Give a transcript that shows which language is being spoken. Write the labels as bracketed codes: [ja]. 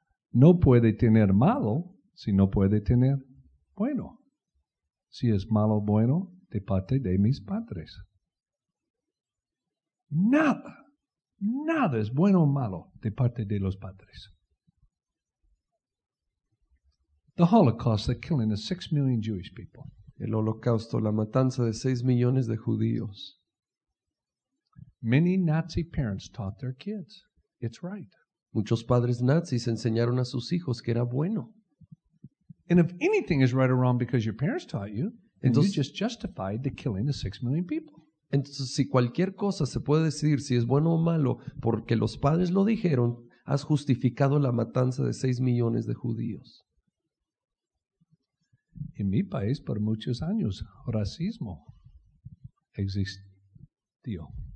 [es] No puede tener malo si no puede tener bueno. Si es malo, bueno, de parte de mis padres. Nada, nada es bueno o malo de parte de los padres. [en] The Holocaust, the killing of 6 million Jewish people. [es] El holocausto, la matanza de 6 millones de judíos. [en] Many Nazi parents taught their kids. It's right. [es] Muchos padres nazis enseñaron a sus hijos que era bueno. [en] And if anything is right or wrong because your parents taught you, then [es] entonces, [en] you just justified the killing of 6 million people. [es] Entonces, si cualquier cosa se puede decir si es bueno o malo porque los padres lo dijeron, has justificado la matanza de 6 millones de judíos. En mi país, por muchos años, racismo existió.